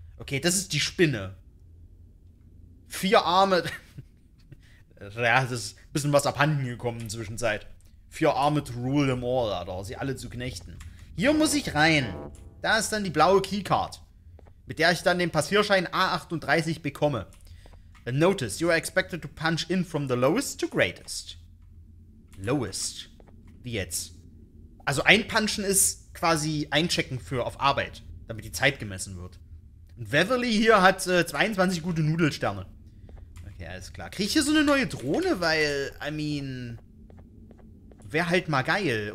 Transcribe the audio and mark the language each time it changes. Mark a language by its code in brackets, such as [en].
[de] Okay, das ist die Spinne. Vier Arme. Ja, das ist ein bisschen was abhanden gekommen in der Zwischenzeit. Vier Arme [en] to rule them all, [de] Alter. Sie alle zu knechten. Hier muss ich rein. Da ist dann die blaue Keycard. Mit der ich dann den Passierschein A38 bekomme. [en] A notice. You are expected to punch in from the lowest to greatest. [de] Lowest. Wie jetzt? Also einpunchen ist quasi einchecken für auf Arbeit, damit die Zeit gemessen wird. Und Beverly hier hat 22 gute Nudelsterne. Okay, alles klar. Krieg ich hier so eine neue Drohne? Weil, [en] I mean, [de] wäre halt mal geil.